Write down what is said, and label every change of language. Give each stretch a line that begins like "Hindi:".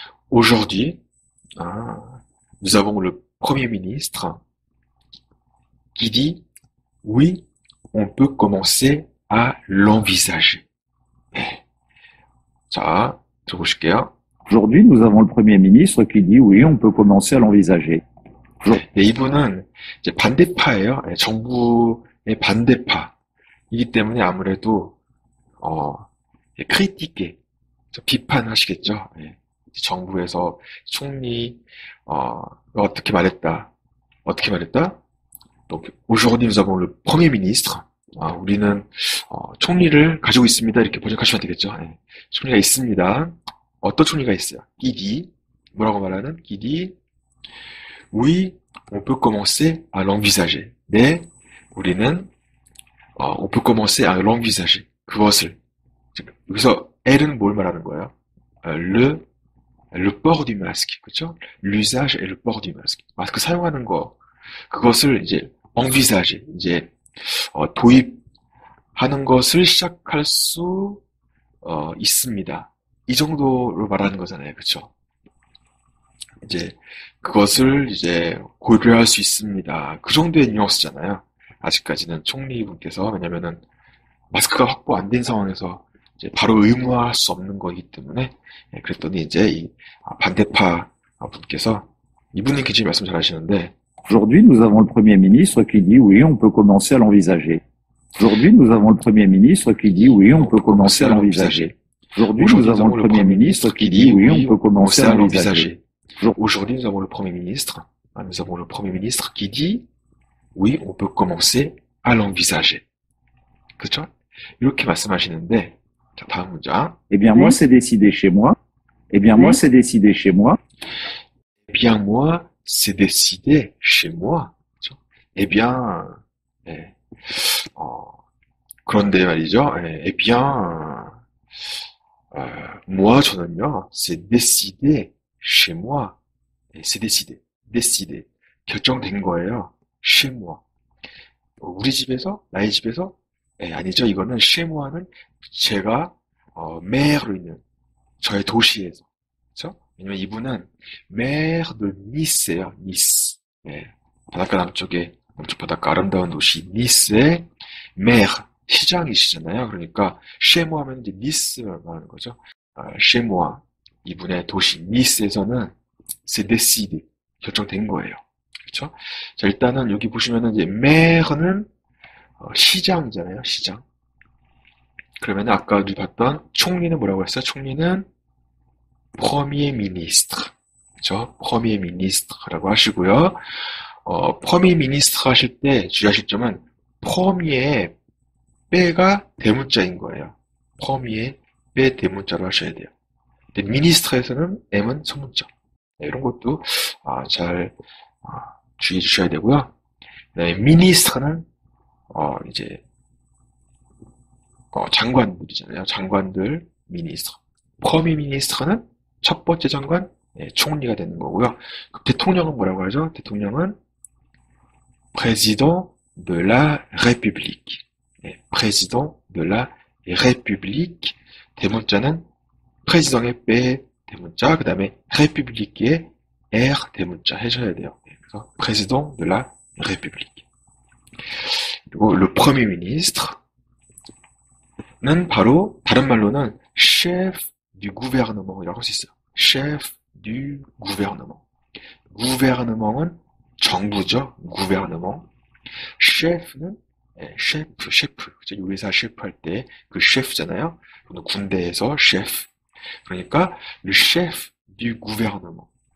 French: Aujourd'hui, nous avons le Premier ministre qui dit oui, on peut commencer à l'envisager. Ça, Trouchka. Aujourd'hui, nous avons le Premier ministre qui dit oui, on peut commencer à l'envisager.
Korean: Et 이분은 이제 반대파예요. 정부의 반대파이기 때문에 아무래도 크리티케 비판하시겠죠. 정부에서 총리 어떻게 말했다? 어떻게 말했다?
French: Donc aujourd'hui nous avons le Premier ministre.
Korean: 우리는 총리를 가지고 있습니다. 이렇게 번역하시면 되겠죠. 예. 총리가 있습니다. 어떤 총리가 있어요? 기디 뭐라고 말하는 기디?
French: Oui, on peut commencer à l'envisager.
Korean: 네, 우리는
French: on peut commencer à l'envisager.
Korean: 그것을 여기서 L은 뭘 말하는 거예요?
French: Le port du masque,
Korean: 그렇죠?
French: L'usage et le port du masque.
Korean: 마스크 사용하는 거, 그것을 이제 envisager, 이제 도입하는 것을 시작할 수 있습니다. 이 정도로 말하는 거잖아요, 그렇죠? 이제 그것을 이제 고려할 수 있습니다. 그 정도의 뉘앙스잖아요. 아직까지는 총리분께서 왜냐면은 마스크가 확보 안 된 상황에서 이제 바로 의무화할 수 없는 거기 때문에 예, 그랬더니 이제 이 반대파 분께서 이분이 굉장히 말씀 잘 하시는데
French: Aujourd'hui, nous avons le Premier ministre qui dit oui, on peut commencer à l'envisager. Aujourd'hui, nous avons le Premier ministre qui dit oui, on peut commencer à l'envisager. Aujourd'hui, nous avons le Premier ministre qui dit oui, on peut commencer à l'envisager. Aujourd'hui, nous avons le Premier ministre. Nous avons le Premier ministre qui dit oui, on peut commencer à l'envisager.
Korean: 그렇죠? 이렇게 말씀하시는데 자, 다음 문장.
French: Eh bien, moi, c'est décidé chez moi. Eh bien, moi, c'est décidé chez moi. Eh bien, moi, c'est décidé chez moi. Eh bien,
Korean: 예. 그런데 말이죠. 예.
French: Eh bien, moi,
Korean: 저는요,
French: c'est décidé chez moi. C'est décidé. Décidé.
Korean: 결정된 거예요.
French: Chez moi.
Korean: 우리 집에서? 나의 집에서? 예, 아니죠. 이거는 chez moi는 제가, maire로 있는 저의 도시에서. 그쵸? 왜냐면 이분은 maire de Nice예요. Nice. 예. 바닷가 남쪽에 남쪽 바닷가 아름다운 도시 Nice의 maire 시장이시잖아요. 그러니까 chez moi 하면 이제 Nice라고 하는 거죠. Chez moi 이분의 도시 Nice에서는
French: c'est décidé
Korean: 결정된 거예요. 그렇죠? 자 일단은 여기 보시면은 이제 maire는 시장이잖아요. 시장. 그러면 아까 우리 봤던 총리는 뭐라고 했어요? 총리는 Premier ministre. 그죠? Premier ministre 라고 하시고요. Premier ministre 하실 때 주의하실 점은 premier 빼가 대문자인 거예요. Premier 빼 대문자로 하셔야 돼요. 근데 ministre에서는 M은 소문자. 네, 이런 것도 주의해 주셔야 되고요. 네, ministre는, 장관들이잖아요. 장관들, ministre. Premier ministre는 첫 번째 장관, 네, 총리가 되는 거고요. 그 대통령은 뭐라고 하죠? 대통령은 président de la République. 네, président de la République. 대문자는 président의 빼 대문자, 그 다음에 République의 R 대문자 해줘야 돼요. 그래서 président de la République. 그리고 le premier ministre는 바로 다른 말로는 chef du gouvernement이라고 할 수 있어요. chef du gouvernement. gouvernement은 정부죠. gouvernement. chef는 chef, chef. 요리사 chef 할 때 그 chef잖아요. 군대에서 chef. 그러니까 le chef du gouvernement.